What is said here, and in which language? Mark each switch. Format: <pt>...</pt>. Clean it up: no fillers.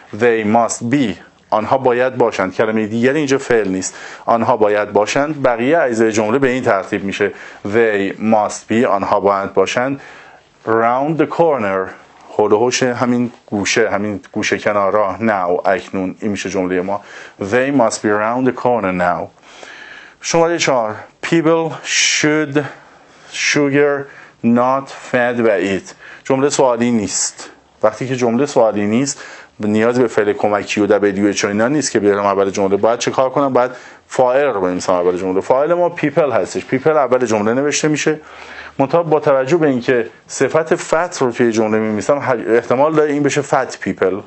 <en>They must be.</en> <fa>آنها باید باشند. کلمه دیگر اینجا فعل نیست. آنها باید باشند. بقیه اجزای جمله به این ترتیب میشه.</fa> <en>They must be.</en> <fa>آنها باید باشند.</fa> <en>Round the corner.</en> <fa>هلوهوش همین گوشه، همین گوشه کنارا. Now اکنون این میشه جمله ما.</fa> <en>They must be around the corner now.</en> <fa>شماره 4.</fa> <en>People should sugar not fed و eat.</en> <fa>جمله سوالی نیست. وقتی که جمله سوالی نیست نیاز به فعل کمکی و WH اینا نیست که بیارم اول جمله. باید چه کار کنم؟ باید فاعل رو بنویسم اول جمله. فاعل ما people هستش. People اول جمله نوشته میشه. مطابق با توجه به اینکه صفت فت رو توی جمله می‌نویسم احتمال داره این بشه فت پیپل.</fa>